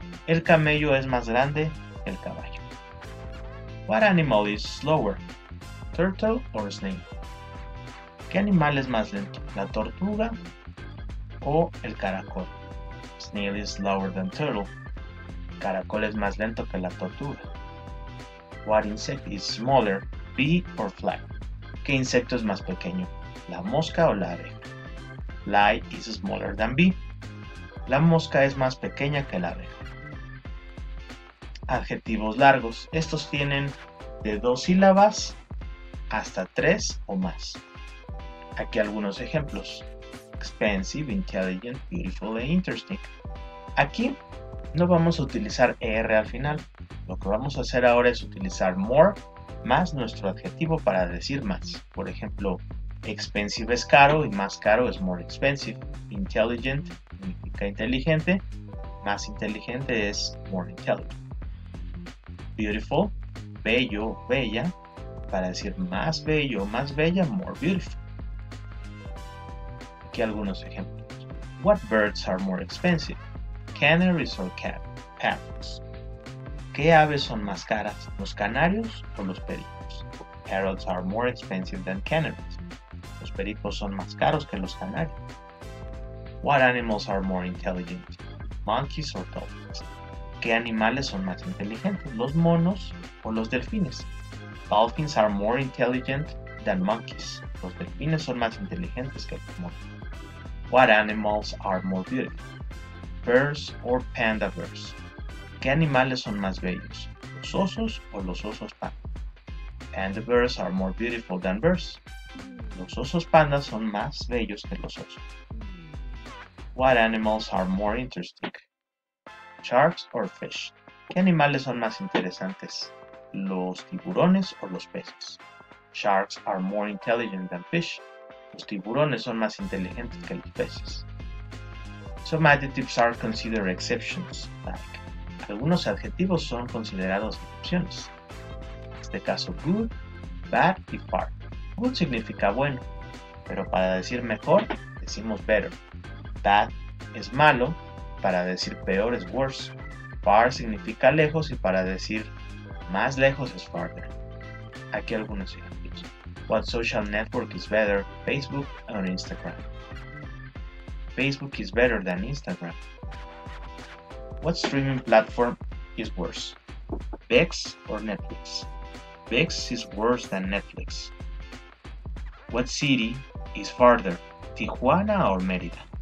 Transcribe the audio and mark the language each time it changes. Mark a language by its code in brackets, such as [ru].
[es] El camello es más grande que el caballo. [en] What animal is slower? Turtle or snake? [es] ¿Qué animal es más lento, la tortuga o el caracol? [en] Snail is slower than turtle. [es] Caracol es más lento que la tortuga. [en] What insect is smaller, bee or fly? [es] ¿Qué insecto es más pequeño, la mosca o la abeja? [en] Fly is smaller than bee. [es] La mosca es más pequeña que la abeja. Adjetivos largos. Estos tienen de dos sílabas hasta tres o más. Aquí algunos ejemplos. [en] Expensive, intelligent, beautiful e interesting. [es] Aquí no vamos a utilizar ER al final. Lo que vamos a hacer ahora es utilizar more más nuestro adjetivo para decir más. Por ejemplo, expensive es caro y más caro es more expensive. Intelligent significa inteligente. Más inteligente es more intelligent. Beautiful, bello, bella. Para decir más bello, más bella, more beautiful. Aquí algunos ejemplos. [en] What birds are more expensive? Canaries or parrots? [es] ¿Qué aves son más caras, los canarios o los pericos? [en] Parrots are more expensive than canaries. [es] Los pericos son más caros que los canarios. [en] What animals are more intelligent? Monkeys or dolphins? [es] ¿Qué animales son más inteligentes, los monos o los delfines? [en] Dolphins are more intelligent than monkeys. [es] Los delfines son más inteligentes que los monos. [en] What animals are more beautiful? Bears or panda bears? [es] ¿Qué animales son más bellos? ¿Los osos o los osos panda? [en] Panda bears are more beautiful than bears. [es] Los osos panda son más bellos que los osos. [en] What animals are more interesting? Sharks or fish? [es] ¿Qué animales son más interesantes? ¿Los tiburones o los peces? [en] Sharks are more intelligent than fish. [es] Los tiburones son más inteligentes que los peces. [en] Some adjectives are considered exceptions, like. [es] Algunos adjetivos son considerados excepciones. En este caso, good, bad y far. Good significa bueno, pero para decir mejor, decimos better. Bad es malo, para decir peor es worse. Far significa lejos y para decir más lejos es farther. Aquí algunos ejemplos. [en] What social network is better, Facebook or Instagram? Facebook is better than Instagram. What streaming platform is worse, VIX or Netflix? VIX is worse than Netflix. What city is farther, Tijuana or Mérida?